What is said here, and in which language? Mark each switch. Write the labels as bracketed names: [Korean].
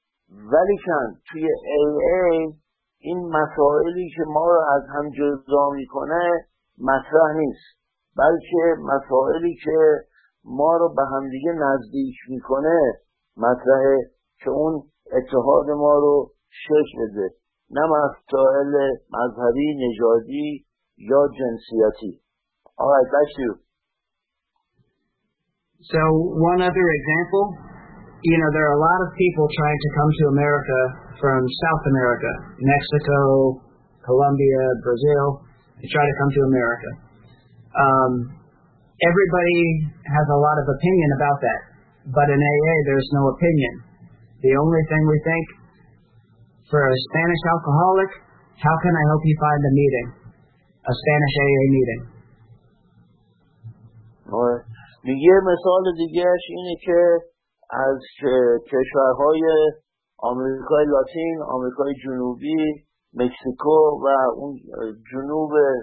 [Persian] ولی چند توی LA این مسائلی که ما رو از هم جدا میکنه مطرح نیست، بلکه مسائلی که ما رو به هم دیگه نزدیک میکنه مطرحه، که اون اتحاد ما رو شکل بده، نه مسائل مذهبی، نژادی یا جنسیتی. [English] All right, that's you. So one other example, you know, there are a lot of people trying to come to America from South America, Mexico, Colombia, Brazil, to try to come to America. Everybody has a lot of opinion about that, but in AA there's no opinion. The only thing we think, for a Spanish alcoholic, how can I help you find a meeting, a Spanish AA meeting? [Persian] یه مثال دیگهش اینه که از کشورهای آمریکای لاتین، آمریکای جنوبی، مکسیکو و اون جنوب